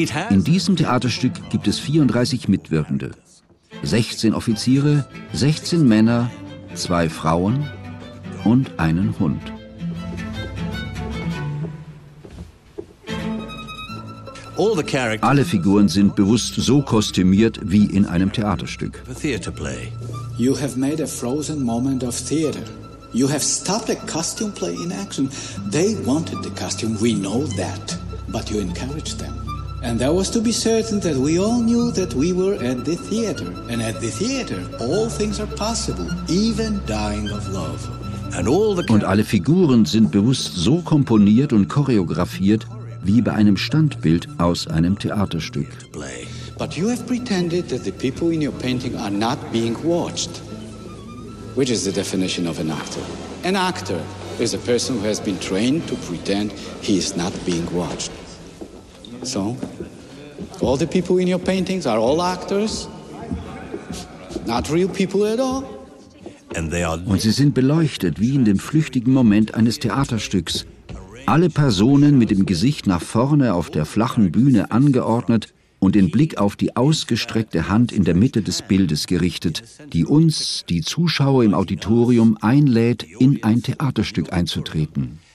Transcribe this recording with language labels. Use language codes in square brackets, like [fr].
[de] In diesem Theaterstück gibt es 34 Mitwirkende. 16 Offiziere, 16 Männer, 2 Frauen und einen Hund. Alle Figuren sind bewusst so kostümiert wie in einem Theaterstück. [en] You have made a frozen moment of theater. You have stopped a costume play in action. They wanted the costume, we know that. But you encouraged them. And that was to be certain that we all knew that we were at the theater. And at the theater, all things are possible, even dying of love. [de] Und alle Figuren sind bewusst so komponiert und choreografiert wie bei einem Standbild aus einem Theaterstück. [en] But you have pretended that the people in your painting are not being watched. Which is the definition of an actor? An actor is a person who has been trained to pretend he is not being watched. So, all the people in your paintings are all actors? Not real people at all? [de] Und sie sind beleuchtet wie in dem flüchtigen Moment eines Theaterstücks. Alle Personen mit dem Gesicht nach vorne auf der flachen Bühne angeordnet und den Blick auf die ausgestreckte Hand in der Mitte des Bildes gerichtet, die uns, die Zuschauer im Auditorium, einlädt, in ein Theaterstück einzutreten.